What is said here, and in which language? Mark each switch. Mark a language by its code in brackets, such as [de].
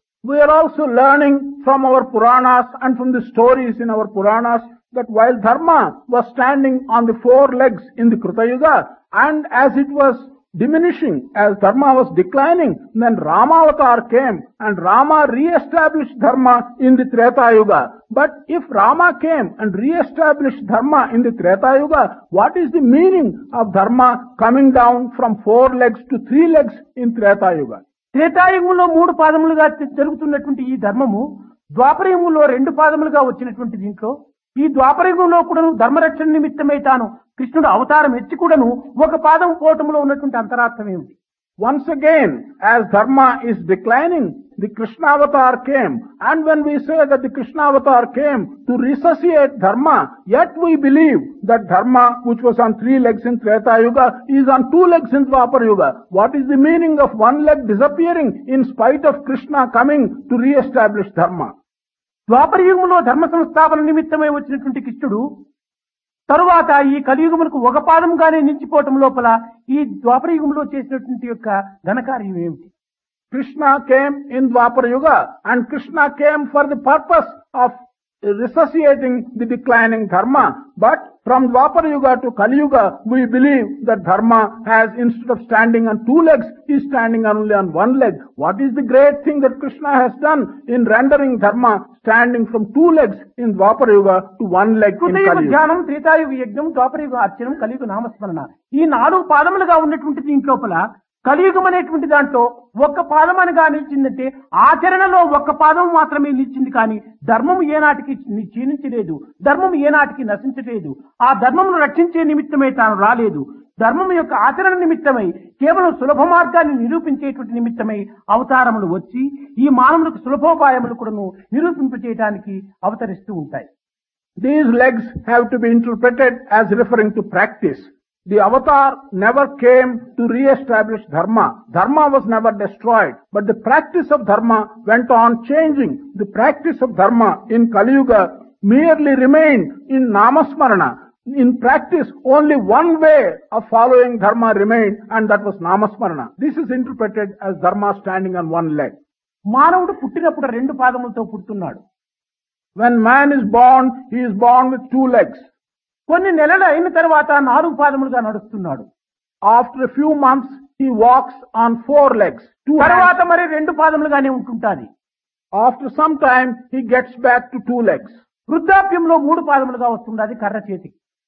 [en] We are also learning from our Puranas and from the stories in our Puranas that while dharma was standing on the four legs in the Krita Yuga, and as it was diminishing, as dharma was declining, then Rama avatar came and Rama re-established dharma in the Treta Yuga. But if Rama came and re-established dharma in the Treta Yuga, what is the meaning of dharma coming down from four legs to three legs in Treta Yuga? [te] త్రేతాయుగంలో మూడు పాదములుగా జరుగుతున్నటువంటి ఈ ధర్మము ద్వాపరయుగంలో రెండు పాదములుగా వచ్చినటువంటి దీంట్లో ఈ ద్వాపరయుగంలో కూడాను ధర్మరక్షణ నిమిత్తమై తాను కృష్ణుడు అవతారం ఎత్తి కూడాను ఒక పాదం పోవటంలో ఉన్నటువంటి అంతరార్థం ఏమిటి? [en] Once again as dharma is declining the Krishnavatar came and when we say that the Krishnavatar came to resuscitate dharma yet we believe that dharma which was on three legs in Tretayuga is on two legs in Dwapar yuga what is the meaning of one leg disappearing in spite of Krishna coming to reestablish dharma? [te] ద్వాపరయుగంలో ధర్మ సంస్థాపన నిమిత్తమై వచ్చినటువంటి కృష్ణుడు తరువాత ఈ కలియుగములకు ఒక పాదంగానే నిలిచిపోవటం లోపల ఈ ద్వాపరయుగంలో చేసినటువంటి యొక్క ఘనకార్యం ఏమిటి? [en] Krishna came in Dwapara Yuga and Krishna came for the purpose of resuscitating the declining dharma. But from Dwapara Yuga to Kali Yuga, we believe that dharma has, instead of standing on two legs, is standing only on one leg. What is the great thing that Krishna has done in rendering dharma standing from two legs in Dwapara Yuga to one leg in Kali Yuga? [sa] Dhyanam, Treta Yuga Yajnam, Dwapara Yuga Archanam, Kali Yuga Namasmarana. [te] Ee naalugu paadamulaga unnatundi deentlopala కలియుగం అనేటువంటి దాంట్లో ఒక్క పాదం అనగా నిలిచిందంటే ఆచరణలో ఒక్క పాదం మాత్రమే నిలిచింది, కానీ ధర్మం ఏనాటికి క్షీణించలేదు, ధర్మం ఏనాటికి నశించలేదు, ఆ ధర్మమును రక్షించే నిమిత్తమే తాను రాలేదు, ధర్మం యొక్క ఆచరణ నిమిత్తమై కేవలం సులభ మార్గాన్ని నిరూపించేటువంటి నిమిత్తమై అవతారములు వచ్చి ఈ మానవులకు సులభోపాయములు కూడా నిరూపింపచేయటానికి అవతరిస్తూ ఉంటాయి. [en] These legs have to be interpreted as referring to practice. The avatar never came to re-establish dharma. Dharma was never destroyed. But the practice of dharma went on changing. The practice of dharma in Kali Yuga merely remained in Namasmarana. In practice, only one way of following dharma remained, and that was Namasmarana. This is interpreted as dharma standing on one leg. [te] Manavudu puttinappudu rendu padamulato puttunnadu. [en] When man is born, he is born with two legs. [te] కొన్ని నెలలు అయిన తర్వాత నాలుగు పాదములుగా నడుస్తున్నాడు. [en] After few months he walks on four legs. [te] తర్వాత మరి రెండు పాదములుగానే ఉంటుంటాది. [en] After some time he gets back to two legs. [te] వృద్ధాప్యంలో మూడు పాదములుగా వస్తుంటాది కర్ర చేతికి.